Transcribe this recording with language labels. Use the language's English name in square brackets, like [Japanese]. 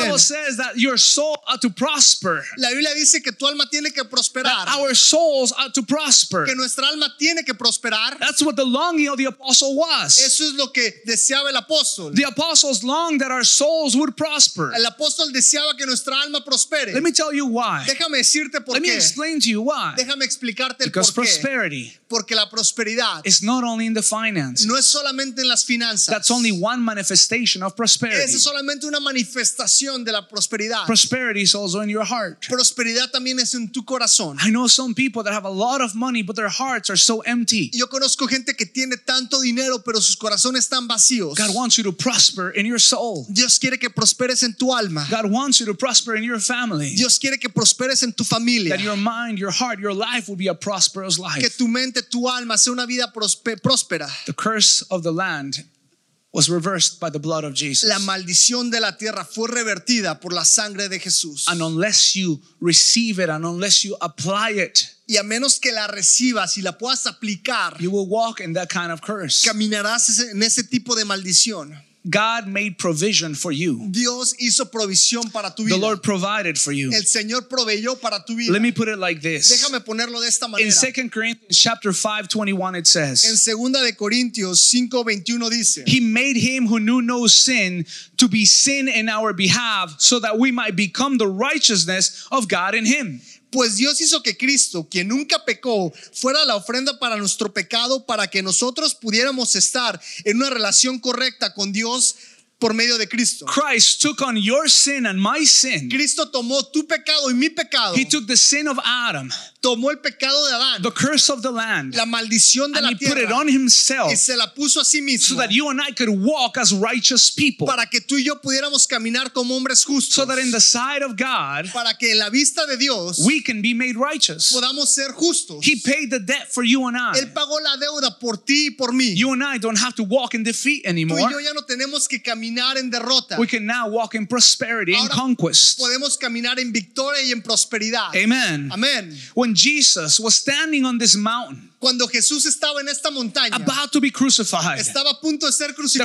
[English] The Bible says that your soul ought to prosper. [Spanish] La Biblia dice que tu alma tiene que prosperar. [English] That our souls ought to prosper. [Spanish] Que nuestra alma tiene que prosperar. [English] That's what the longing of the apostle was. [Spanish] Eso es lo que deseaba el apóstol. [English] The apostles longed that our souls would prosper. [Spanish] El apóstol deseaba que nuestra alma prospere. [English] Let me tell you why. [Spanish] Déjame decirte por [English] Let [Spanish] qué. [English] Me explain to you why. [Spanish] Déjame explicarte [English] Because [Spanish] el por [English] prosperity. [Spanish] Qué. Porque la prosperidad [English] is not only in the finances. [Spanish] No es solamente en las finanzas. [English] That's only one manifestation of prosperity. [Spanish] Es solamente una manifestación de la prosperidad. [English] Prosperity is also in your heart. [Spanish] Prosperidad también es en tu corazón. [English] I know some people that have a lot of money, but their hearts are so empty. [Spanish] Yo conozco gente que tiene tanto dinero, pero sus corazones están vacíos. [English] God wants you to prosper in your soul. [Spanish] Dios quiere que prosperes en tu alma. [English] God wants you to prosper in your family. [Spanish] Dios quiere que prosperes en tu familia. [English] That your mind, your heart, your life will be a prosperous life. [Spanish] Que tu mente, tu alma sea una vida próspera. [English] The curse of the land was reversed by the blood of Jesus. [Spanish] La maldición de la tierra fue revertida por la sangre de Jesús. [English] And unless you receive it and unless you apply it, [Spanish] y a menos que la recibas y la puedas aplicar, [English] you will walk in that kind of curse. [Spanish] Caminarás en ese tipo de maldición. [English] God made provision for you. [Spanish] Dios hizo provisión para tu vida. [English] The Lord provided for you. [Spanish] El Señor proveyó para tu vida. [English] Let me put it like this. [Spanish] Déjame ponerlo de esta manera. [English] In 2 Corinthians chapter 5:21 it says, [Spanish] en segunda de Corintios 5:21 dice, [English] He made him who knew no sin to be sin in our behalf so that we might become the righteousness of God in him. [Spanish] Pues Dios hizo que Cristo, quien nunca pecó, fuera la ofrenda para nuestro pecado, para que nosotros pudiéramos estar en una relación correcta con Dios por medio de Cristo. [English] Christ took on your sin and my sin. [Spanish] Cristo tomó tu pecado y mi pecado. [English] He took the sin of Adam. [Spanish] Tomó el pecado de Adán. [English] The curse of the land. [Spanish] La maldición de la tierra. [English] And he put it on himself. [Spanish] Y se la puso a sí mismo. [English] So that you and I could walk as righteous people. [Spanish] Para que tú y yo pudiéramos caminar como hombres justos. [English] So that in the sight of God. [Spanish] Para que en la vista de Dios. [English] We can be made righteous. [Spanish] Podamos ser justos. [English] He paid the debt for you and I. [Spanish] Él pagó la deuda por ti y por mí. [English] You and I don't have to walk in defeat anymore. [Spanish] Tú y yo ya no tenemos que caminar en derrota. [English] We can now walk in prosperity, [Spanish] ahora, [English] in conquest. [Spanish] Podemos caminar en victoria y en prosperidad. [English] Amen. [Spanish] Amen. [English] When Jesus was standing on this mountain, [Spanish] cuando Jesús estaba en esta montaña, [English] about to be crucified, [Spanish] estaba a punto de ser crucificado,